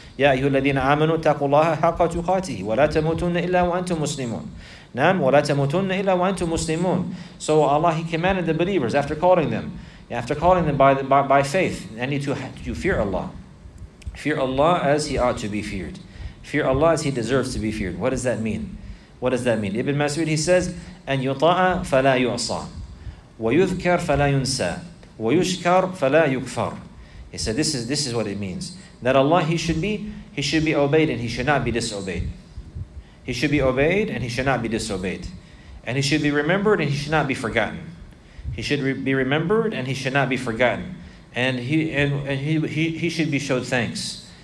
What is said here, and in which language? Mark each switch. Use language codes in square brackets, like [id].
[ar] يَا أَيُّهُ الَّذِينَ آمَنُوا تَقُوا اللَّهَ حَقَّ تُقَاتِهِ وَلَا تَمُوتُنَّ إِلَّا وَأَنْتُمْ مُسْلِمُونَ. نعم وَلَا تَمُوتُنَّ إِلَّا وَأَنْتُمْ مُسْلِمُونَ. [en] So Allah, he commanded the believers after calling them by faith, and you fear Allah. Fear Allah as he ought to be feared. Fear Allah as he deserves to be feared. What does that mean? What does that mean? Ibn Mas'ud, he says, [ar] أَنْ يُطَاعَ فَلَا يُعْصَى وَيُذْكَرْ فَلَا يُنْسَى وَيُشْكَرْ فَلَا يُكْفَرْ. [en] He said, this is what it means. That Allah, he should be obeyed and he should not be disobeyed. He should be obeyed and he should not be disobeyed. And he should be remembered and he should not be forgotten. He should be remembered and he should not be forgotten. And he should be showed thanks.